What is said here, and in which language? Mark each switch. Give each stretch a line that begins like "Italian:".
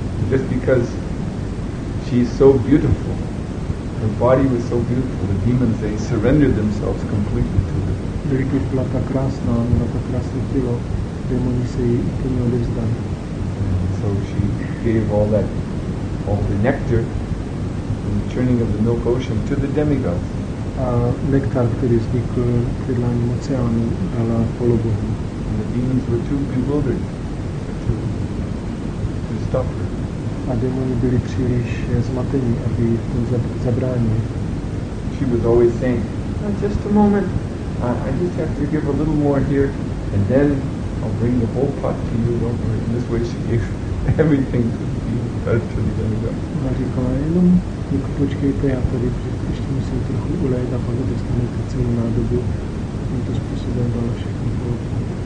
English: Just because she is so beautiful, her body was so beautiful, the demons, they surrendered themselves completely to her.
Czech: Když byla tak krásná, měla tak krásné tělo, démoni se jí úplně odevzdali.
English: So she gave all that, all the nectar from the churning of the milk ocean to the demigods.
Czech: A nektar, který vznikl krydláním oceánu, dala polobohu.
English: And the demons were too bewildered to stop her.
Czech: A démoni byli příliš zmatení, aby to zabránili.
English: She was always saying, oh, just a moment, I just have to give a little more here, and then I'll bring the whole pot to you over. In this way she gave everything to the demigods.
Czech: Ona říkala, jenom jako počkejte, já tady ještě musím trochu ulejt a pak dostanete celou nádobu. Tímto způsobem dala všechno polobohu.